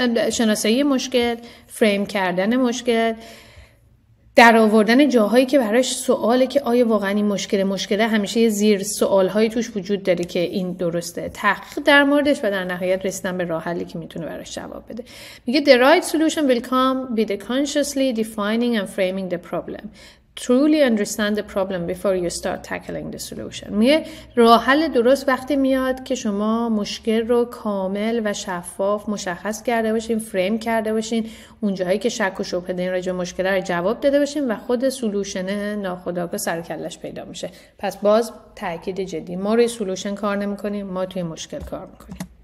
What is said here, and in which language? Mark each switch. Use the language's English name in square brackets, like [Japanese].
[Persian] شناسایی مشکل، فریم کردن مشکل، در آوردن جاهایی که براش سواله که آیا واقعا این مشکله همیشه یه زیر سوالهایی توش وجود داره که این درسته، تحقیق در موردش و در نهایت رسیدن به راه حلی که میتونه براش جواب بده. میگه [English] the right solution will come with the consciously defining and framing the problem. Truly understand the problem before you start tackling the solution. [Persian] میگه راه حل درست وقتی میاد که شما مشکل رو کامل و شفاف مشخص کرده باشین، فریم کرده باشین، اونجایی که شک و شبهه دارین راجع به مشکل رو جواب داده باشین و خود سولوشن ناخودآگاه سر کلش پیدا میشه. پس باز تاکید جدی، ما روی سولوشن کار نمیکنیم، ما توی مشکل کار میکنیم.